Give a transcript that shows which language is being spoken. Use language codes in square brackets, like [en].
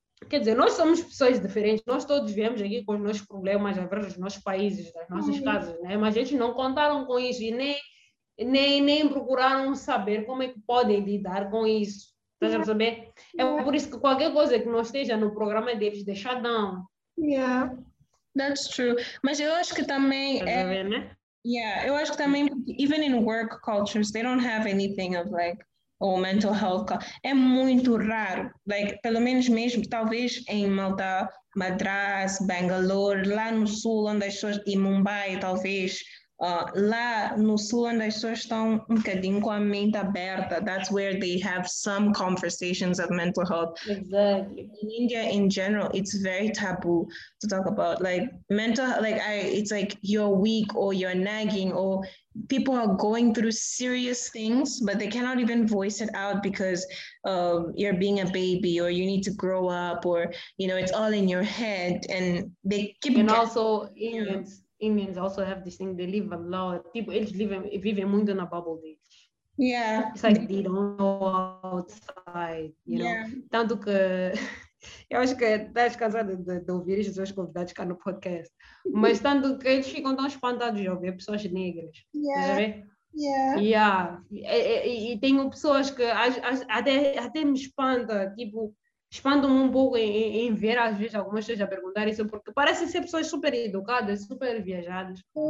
[pt] Quer dizer, nós somos pessoas diferentes, nós todos viemos aqui com os nossos problemas, a ver os nossos países, as nossas casas, né? Mas eles não contaram com isso e nem procuraram saber como é que podem lidar com isso. Estás a saber? É por isso que qualquer coisa que não esteja no programa deles, deixa down. [en] Yeah, that's true. [pt] Mas eu acho que também... eu acho que também, [en] even in work cultures, they don't have anything of like, ou mental health. [pt] É muito raro. Like, pelo menos mesmo, talvez em Malta, Madras, Bangalore, lá no sul, onde as pessoas... E Mumbai, talvez... lá no sul, onde as pessoas estão um bocadinho com a mente aberta, [en] that's where they have some conversations of mental health. Exactly. In India, in general, it's very taboo to talk about, like, mental, like, it's like you're weak or you're nagging or people are going through serious things, but they cannot even voice it out because you're being a baby or you need to grow up or, you know, it's all in your head and they keep... And also, Indians also have this thing, they live a lot. [pt] Tipo, eles vivem muito na bubble deles. [en] Yeah. It's like they don't go outside, you know? [pt] Tanto que... Eu acho que estás cansada de ouvir as suas convidadas cá no podcast. Mas tanto que eles ficam tão espantados de ouvir pessoas negras. E tenho pessoas que até me espanta, tipo... Espanto-me um pouco em ver, às vezes, algumas pessoas a perguntar isso, porque parecem ser pessoas super educadas, super viajadas.